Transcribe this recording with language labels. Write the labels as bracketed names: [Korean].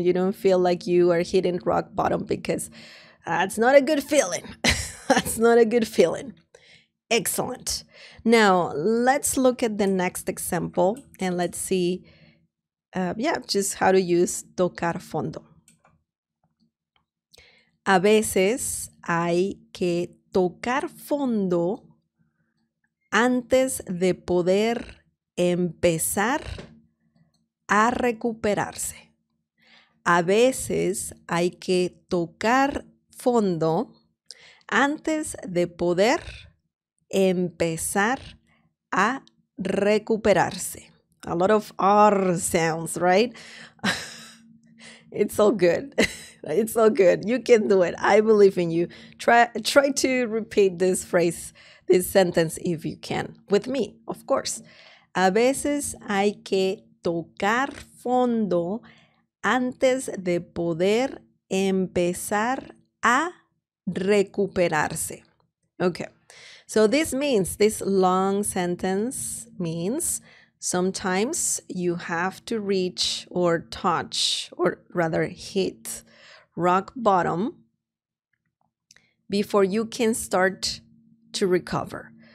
[English] You don't feel like you are hitting rock bottom, because that's not a good feeling. That's not a good feeling. Excellent. Now, let's look at the next example and let's see, just how to use tocar fondo. [Spanish] A veces hay que tocar fondo antes de poder empezar a recuperarse. A veces hay que tocar fondo antes de poder empezar a recuperarse. [English] A lot of R sounds, right? It's all good. It's all good. You can do it. I believe in you. Try to repeat this phrase, this sentence, if you can, with me, of course. [Spanish] A veces hay que tocar fondo antes de poder empezar a recuperarse. [English] Okay, so this means, this long sentence means sometimes you have to reach or touch, or rather hit, rock bottom before you can start to recover.